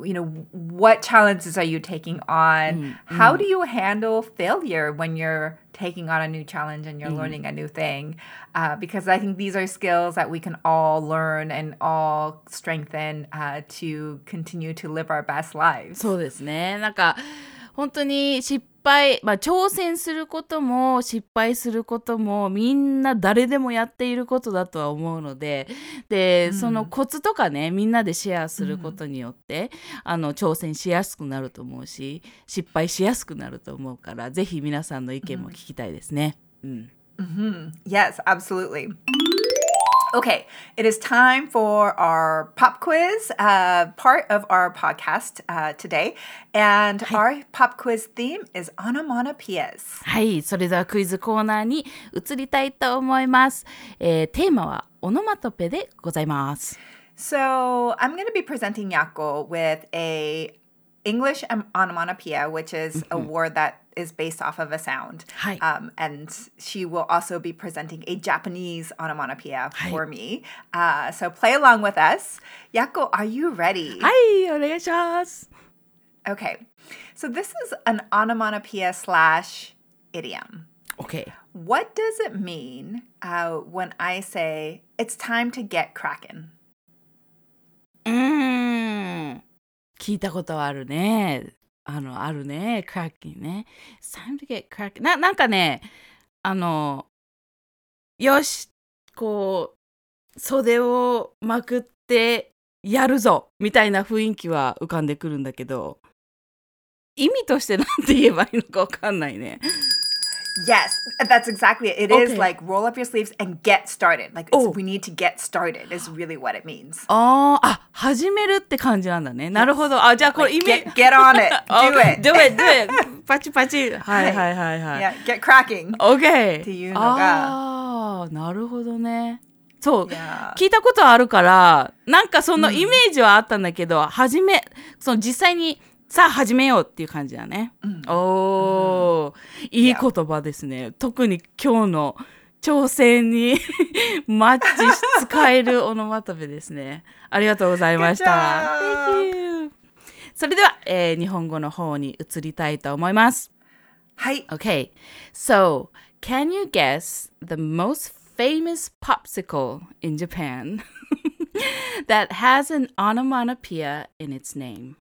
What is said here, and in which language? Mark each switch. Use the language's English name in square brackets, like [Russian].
[English] You know, what challenges are you taking on? How do you handle failure when you're taking on a new challenge and you're learning a new thing? Because I think these are skills that we can all learn and all strengthen to continue to live our best lives. [Japanese] そうですね。なんか本当に失敗、まあ、挑戦することも失敗することもみんな誰でもやっていることだとは思うので、で、そのコツとかね、みんなでシェアすることによって、あの挑戦しやすくなると思うし、失敗しやすくなると思うから、ぜひ皆さんの意見も聞きたいですね。 [English] Yes, absolutely. Okay, it is time for our pop quiz, part of our podcast today. And our pop quiz theme is onomatopoeias. [Japanese] はい、それではクイズコーナーに移りたいと思います。テーマはオノマトペでございます。 [English] So, I'm going to be presenting Yako with a English onomatopoeia, which is a word that is based off of a sound. And she will also be presenting a Japanese onomatopoeia for me. So play along with us. Yako, are you ready? [Japanese] Hi, お願いします. [English] Okay. So this is an onomatopoeia slash idiom. Okay. What does it mean when I say it's time to get cracking? [Japanese] 聞いたことあるね。あの、あるね。cracking ね。 [English] It's time to get cracking. [Japanese] なんかね、あの、よし、こう、袖をまくってやるぞみたいな雰囲気は浮かんでくるんだけど、意味としてなんて言えばいいのかわかんないね。 [English] Yes, that's exactly it. It is like roll up your sleeves and get started. Like, it's, we need to get started is really what it means. [Japanese] Oh, ah, 始めるって感じなんだね。なるほど。あ、じゃあこれ意味。 [English] Get on it. Do it. Okay. Do it. Do it. [Japanese] パチパチ。はいはいはいはい。 [English] Yeah, get cracking. Okay. [Japanese] っていうのが。ああ、なるほどね。そう、 [English] yeah. [Japanese] 聞いたことあるから、なんかそのイメージはあったんだけど、始め、その実際に、さあ始めようっていう感じだね。おお、いい言葉ですね。特に今日の挑戦にマッチし使えるオノマトペですね。ありがとうございました。 [English] Thank you. [Japanese] それでは、日本語の方に移りたいと思います。はい。 [English] Okay. So, can you guess the most famous popsicle in Japan that has an onomatopoeia in its name?